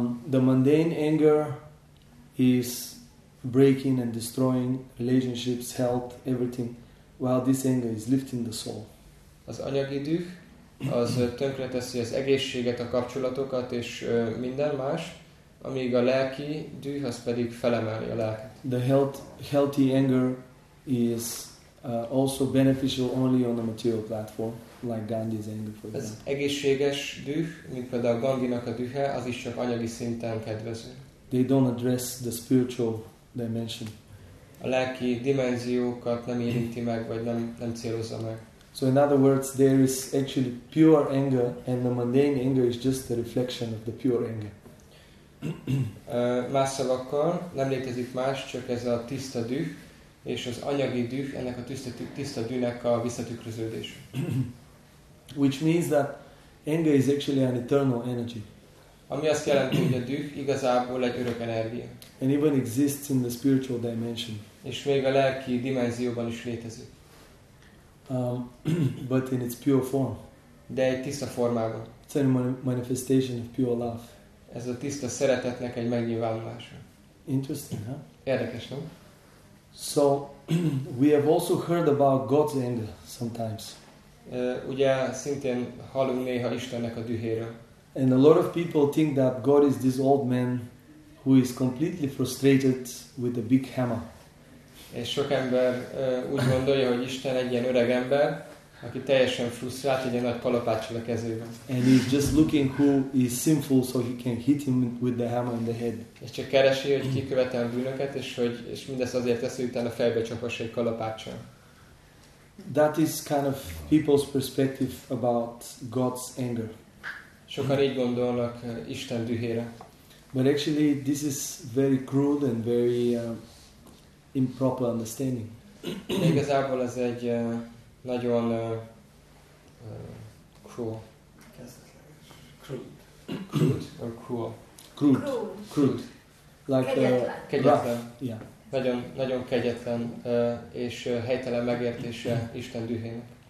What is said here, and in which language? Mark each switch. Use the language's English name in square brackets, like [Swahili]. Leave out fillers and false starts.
[English] The mundane anger is breaking and destroying relationships, health, everything, while this anger is lifting the soul. [Hungarian] Az anyagi düh, az tönkreteszi az egészséget, a kapcsolatokat és minden más, amíg a lelki düh, az pedig felemeli a lelket. [English] The healthy anger is also beneficial only on the material platform. Like Gandhi's anger, for example. [Hungarian] Ez egészséges düh, mint például Gandhinak a dühe, az is csak anyagi szinten kedvező. [English] They don't address the spiritual dimension. [Hungarian] A lelki dimenziókat nem érinti meg, vagy nem célozza meg. [English] So in other words, there is actually pure anger, and the mundane anger is just a reflection of the pure anger. [Hungarian] Más szavakkal, nem létezik más, csak ez a tiszta düh, és az anyagi düh, ennek a tiszta dűnek a visszatükröződés. [English] Which means that anger is actually an eternal energy. [Hungarian] Ami azt jelenti, hogy a düh igazából egy örök energia. [English] And even exists in the spiritual dimension. [Hungarian] És még a lelki dimenzióban is létezik. [English] But in its pure form. [Hungarian] De egy tiszta formában. [English] It's a manifestation of pure love. [Hungarian] Ez a tiszta szeretetnek egy megnyilvánulása. [English] Interesting, huh? [Hungarian] Érdekes, nem? [English] So, we have also heard about God's anger sometimes. [Hungarian] Ugye szintén hallunk néha Istennek a dühéről. [English] And a lot of people think that God is this old man who is completely frustrated with a big hammer. [Hungarian] És sok ember úgy gondolja, hogy Isten egy ilyen öreg ember, aki teljesen frusztrált, egy nagy kalapáccsal a kezében. [English] And he's just looking who is sinful so he can hit him with the hammer in the head. [Hungarian] És csak keresi, hogy ki követel bűnöket, és mindezt azért teszi, hogy utána fejbe csapassa egy kalapáccsal. [English] That is kind of people's perspective about God's anger. [Hungarian] Sokan így gondolnak Isten dühére. [English] But actually this is very crude and very improper understanding. [Hungarian] Igazából ez egy nagyon [English] cruel. Crude. Crude. Crude. Like [Hungarian] kegyetlen. [English] Yeah. [Hungarian] nagyon, nagyon kegyetlen és helytelen megértése Isten dühének.